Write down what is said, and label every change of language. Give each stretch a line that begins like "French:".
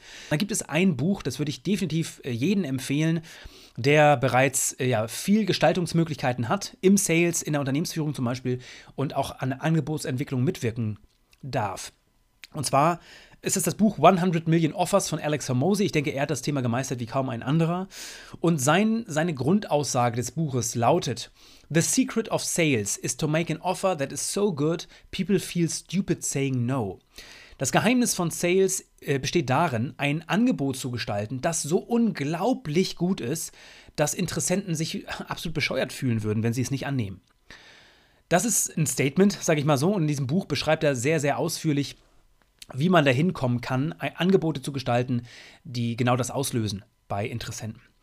German: Da gibt es ein Buch, das würde ich definitiv jedem empfehlen, der bereits viel Gestaltungsmöglichkeiten hat im Sales, in der Unternehmensführung zum Beispiel und auch an Angebotsentwicklung mitwirken darf. Und zwar ist es das Buch 100 Million Offers von Alex Hormozi. Ich denke, er hat das Thema gemeistert wie kaum ein anderer. Und seine Grundaussage des Buches lautet:
English: The secret of sales is to make an offer that is so good, people feel stupid saying no.
German: Das Geheimnis von Sales besteht darin, ein Angebot zu gestalten, das so unglaublich gut ist, dass Interessenten sich absolut bescheuert fühlen würden, wenn sie es nicht annehmen. Das ist ein Statement, sage ich mal so, und in diesem Buch beschreibt er sehr, sehr ausführlich, wie man dahin kommen kann, Angebote zu gestalten, die genau das auslösen bei Interessenten.